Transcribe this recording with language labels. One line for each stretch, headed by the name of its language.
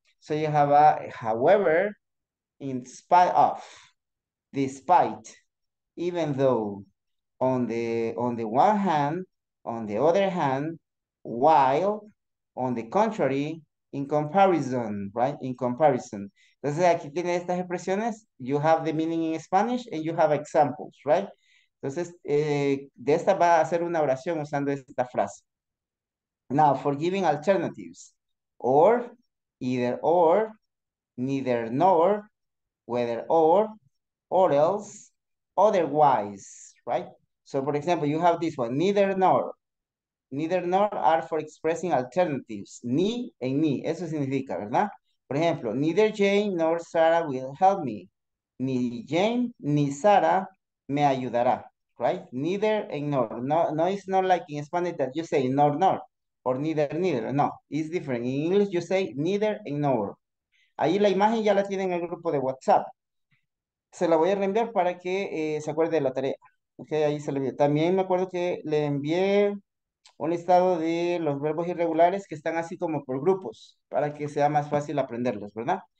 English: So you have a however, in spite of, despite, even though, on the one hand, on the other hand, while, on the contrary, in comparison, right? In comparison.
Spanish: Entonces aquí tiene estas expresiones.
English: You have the meaning in Spanish and you have examples, right?
Spanish: Entonces, de esta va a hacer una oración usando esta frase.
English: Now, for giving alternatives. Or, either or, neither nor, whether or else, otherwise, right? So, for example, you have this one, neither nor. Neither nor are for expressing alternatives.
Spanish: Ni en ni, eso significa, ¿verdad? Por ejemplo,
English: neither Jane nor Sarah will help me.
Spanish: Ni Jane ni Sarah me ayudará,
English: right? Neither and nor. No, it's not like in Spanish that you say nor nor or neither neither. No, it's different. In English you say neither and nor.
Spanish: Ahí la imagen ya la tienen en el grupo de WhatsApp. Se la voy a reenviar para que se acuerde de la tarea. Ok, ahí se le envió. También me acuerdo que le envié un listado de los verbos irregulares que están así como por grupos para que sea más fácil aprenderlos, ¿verdad?